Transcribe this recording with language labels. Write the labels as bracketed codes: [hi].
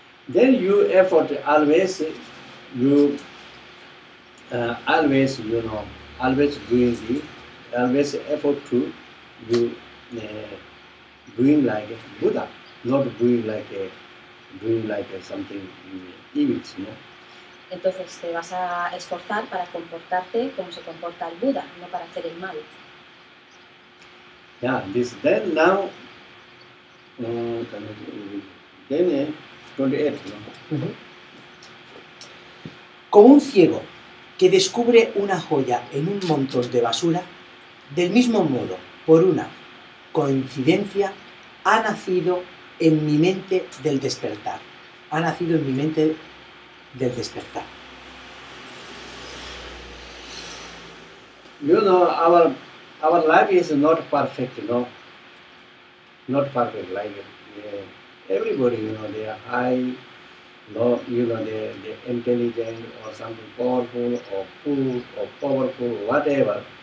[en] Then you effort always, you always, you know, always doing the, always effort to you doing like Buddha, not doing like something evil, no? [es] Entonces te vas a esforzar para comportarte como se comporta el Buda, no para hacer el mal. [en] Yeah, this then now, then 28. No? [es] Como un ciego que descubre una joya en un montón de basura, del mismo modo, por una coincidencia, ha nacido en mi mente del despertar. Ha nacido en mi mente del despertar. [en] You know, our life is not perfect, no? Not perfect, like everybody, you know, they are high, low, you know, they are intelligent or something powerful or poor or powerful, whatever.